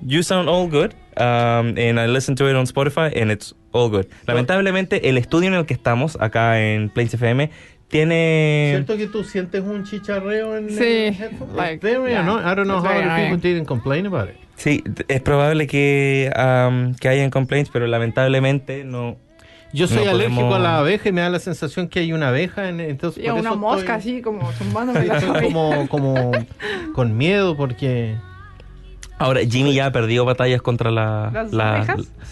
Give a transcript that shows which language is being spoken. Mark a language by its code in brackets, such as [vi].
[en] You sound all good, and I listened to it on Spotify, and it's all good. [es] Lamentablemente, el estudio en el que estamos acá en Place FM... tiene... ¿Cierto que tú sientes un chicharreo en sí, el headphone? [en] Like, yeah. I don't know how other people didn't complain about it. [es] Sí, es probable que hayan complaints, pero lamentablemente no. Yo soy alérgico a la abeja y me da la sensación que hay una abeja. Entonces, y por una eso mosca estoy... así, como zumbándome. como con miedo porque... Ahora, Jimmy ya ha perdido batallas contra las abejas.